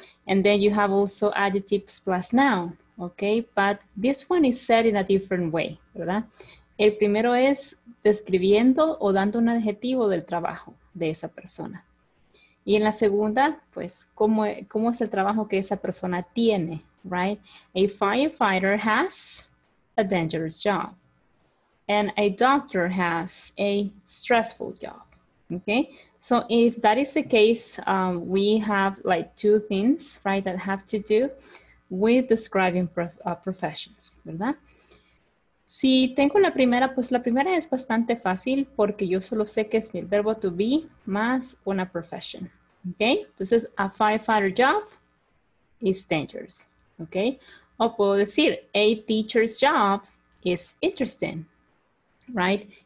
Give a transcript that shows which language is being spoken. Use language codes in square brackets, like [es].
[en] And then you have also adjectives plus noun, okay? But this one is said in a different way, ¿verdad? [es] El primero es describiendo o dando un adjetivo del trabajo de esa persona. Y en la segunda, pues, ¿cómo es el trabajo que esa persona tiene, right? [en] A firefighter has a dangerous job. And a doctor has a stressful job, okay? So if that is the case, we have like two things, right, that have to do with describing professions, ¿verdad? [es] Si tengo la primera, pues la primera es bastante fácil porque yo solo sé que es mi verbo to be más una profession, okay? Entonces, [en] a firefighter job is dangerous, okay? [es] O puedo decir, [en] a teacher's job is interesting, right?